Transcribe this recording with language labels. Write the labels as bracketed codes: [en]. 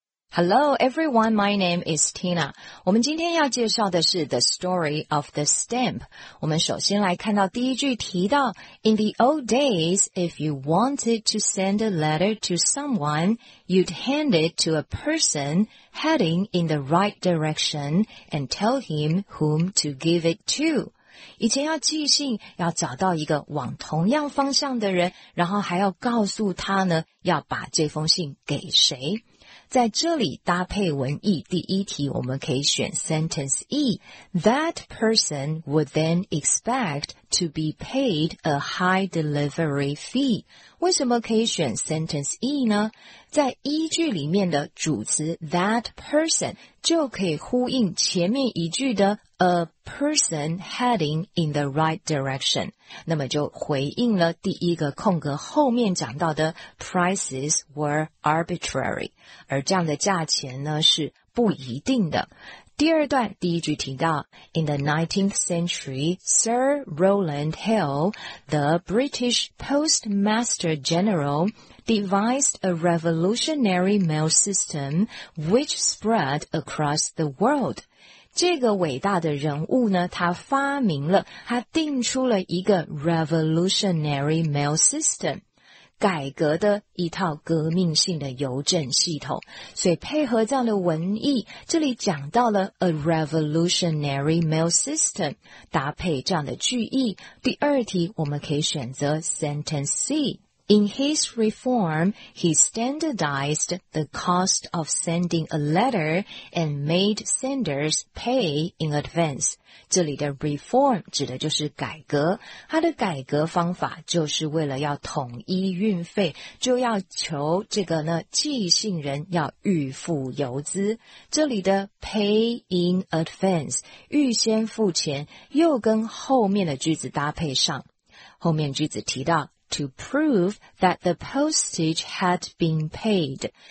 [en] Hello, everyone. My name is Tina. [zh] 我们今天要介绍的是 [en] The Story of the Stamp. [zh] 我们首先来看到第一句提到 [en] In the old days, if you wanted to send a letter to someone, you'd hand it to a person heading in the right direction and tell him whom to give it to. [zh] 以前要寄信，要找到一个往同样方向的人，然后还要告诉他呢，要把这封信给谁。在这里搭配文意，第一题我们可以选 [en] sentence E. That person would then expect to be paid a high delivery fee. [zh] 为什么可以选 [en] sentence E [zh] 呢？在依据里面的主词 [en] that person [zh] 就可以呼应前面一句的 [en] a person heading in the right direction. [zh] 那么就回应了第一个空格后面讲到的 [en] prices were arbitrary. [zh] 而这样的价钱呢是不一定的。第二段第一句提到 [en] In the 19th century, Sir Rowland Hill, the British Postmaster General, devised a revolutionary mail system which spread across the world. [zh] 这个伟大的人物呢他发明了他定出了一个 [en] revolutionary mail system。 [zh] 改革的一套革命性的邮政系统，所以配合这样的文意，这里讲到了 [en] a revolutionary mail system， [zh] 搭配这样的句意。第二题我们可以选择 [en] sentence C。 In his reform, he standardized the cost of sending a letter and made senders pay in advance. [zh] 这里的 reform 指的就是改革，他的改革方法就是为了要统一运费，就要求这个呢寄信人要预付邮资。这里的 [en] pay in advance [zh] 预先付钱，又跟后面的句子搭配上，后面句子提到 [en] To prove that the postage had been paid.